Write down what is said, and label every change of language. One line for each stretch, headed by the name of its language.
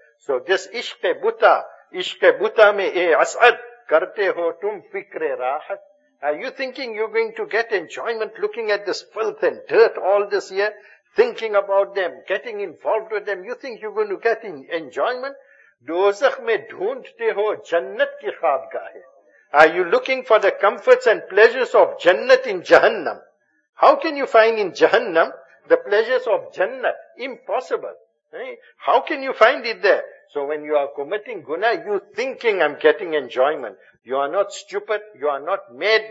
English: So this
Urdu: ishq-e-buta mein e as'ad, karte ho tum fikre rahat.
English: Are you thinking you're going to get enjoyment looking at this filth and dirt all this year? Thinking about them, getting involved with them, you think you're going to get enjoyment?
Urdu: دوزخ میں ڈھونڈتے ہو جنت کی خوابگاہیں.
English: Are you looking for the comforts and pleasures of Jannat in Jahannam? How can you find in Jahannam the pleasures of Jannat? Impossible. Right? How can you find it there? So when you are committing guna, you thinking I'm getting enjoyment. You are not stupid. You are not mad.